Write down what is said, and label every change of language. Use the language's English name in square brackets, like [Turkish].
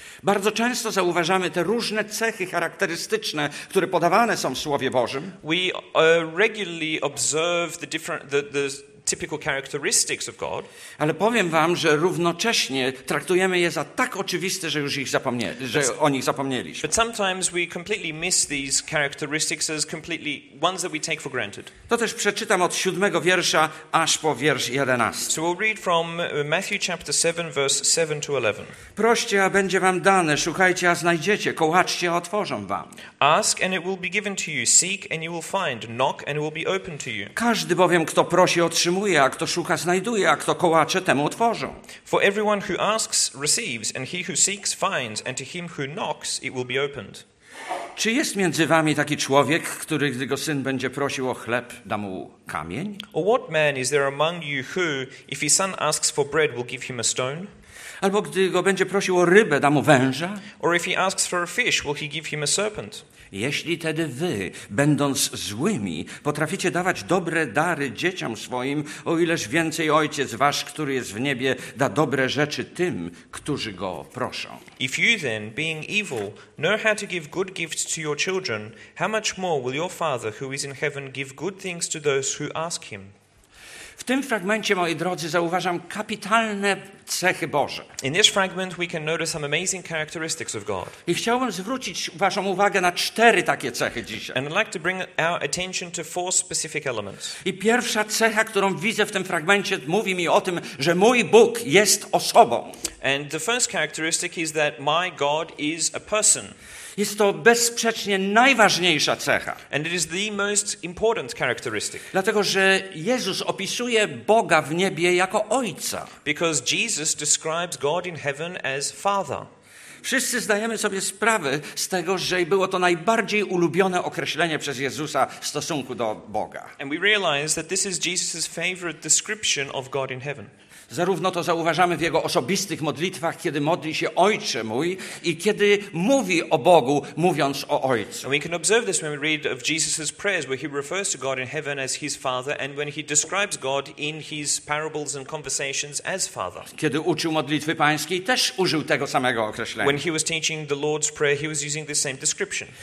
[Polish] Bardzo często zauważamy te różne cechy charakterystyczne, które podawane są w Słowie Bożym. [English] We regularly observe the different the typical characteristics of God. [Polish] Ale powiem wam, że równocześnie traktujemy je za tak oczywiste, że już ich że o nich zapomnieliśmy. [English] But sometimes we completely miss these characteristics as completely ones that we take for granted. [Polish] To też przeczytam od 7 wiersza aż po wiersz 11. [English] So we'll read from Matthew chapter 7 verse 7 to 11. [Polish] Proście, a będzie wam dane, szukajcie, a znajdziecie, kołaczcie, a otworzą wam. [English] Ask and it will be given to you, seek and you will find, knock and it will be open to you. [Polish] Każdy bowiem kto prosi, otrzymuje, a kto szuka, znajduje, a kto kołacze, temu otworzą. [English] For everyone who asks receives, and he who seeks finds, and to him who knocks it will be opened. [Polish] Czy jest między wami taki człowiek, który gdy go syn będzie prosił o chleb, da mu kamień? [English] Or what man is there among you who, if his son asks for bread, will give him a stone? [Polish] Albo gdy go będzie prosił o rybę, da mu węża? [English] Or if he asks for a fish, will he give him a serpent? [Polish] Jeśli tedy wy, będąc złymi, potraficie dawać dobre dary dzieciom swoim, o ileż więcej Ojciec wasz, który jest w niebie, da dobre rzeczy tym, którzy go proszą. [English] If you then, being evil, know how to give good gifts to your children, how much more will your Father, who is in heaven, give good things to those who ask him? [Polish] W tym fragmencie, moi drodzy, zauważam kapitalne cechy Boże. [English] In this fragment we can notice some amazing characteristics of God. [Polish] I chciałbym zwrócić waszą uwagę na 4 takie cechy dzisiaj. [English] And I'd like to bring our attention to 4 specific elements. [Polish] I pierwsza cecha, którą widzę w tym fragmencie, mówi mi o tym, że mój Bóg jest osobą. [English] And the first characteristic is that my God is a person. [Polish] Jest to bezsprzecznie najważniejsza cecha. [English] And it is the most important characteristic. [Polish] Dlatego, że Jezus opisuje Boga w niebie jako Ojca. [English] Because Jesus describes God in heaven as Father. [Polish] Wszyscy zdajemy sobie sprawę z tego, że było to najbardziej ulubione określenie przez Jezusa w stosunku do Boga. [English] And we realize that this is Jesus's favorite description of God in heaven. [Polish] Zarówno to zauważamy w jego osobistych modlitwach, kiedy modli się Ojcze mój i kiedy mówi o Bogu, mówiąc o Ojcu. [English] And we can observe this when we read of Jesus's prayers where he refers to God in heaven as his Father and when he describes God in his parables and conversations as Father. [Polish] Kiedy uczył modlitwy pańskiej, też użył tego samego określenia. [English] When he was teaching the Lord's Prayer, he was using the same description.